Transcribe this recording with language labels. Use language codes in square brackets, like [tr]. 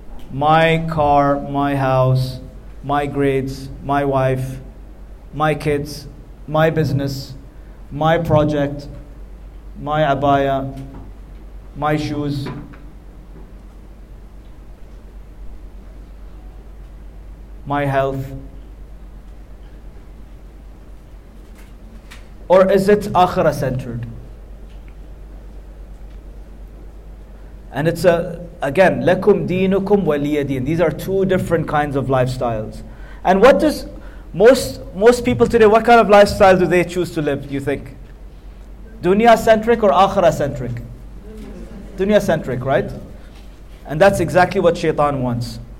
[en] My car, my house, my grades, my wife, my kids, my business, my project, my abaya, my shoes. My health? Or is it akhirah centered? [ar] And it's again, لَكُمْ دِينُكُمْ وَلِيَ دِينَ. [en] These are two different kinds of lifestyles. And what does most people today, what kind of lifestyle do they choose to live, you think? Dunya centric or akhirah centric? Dunya centric, right? And that's exactly what Shaitan wants.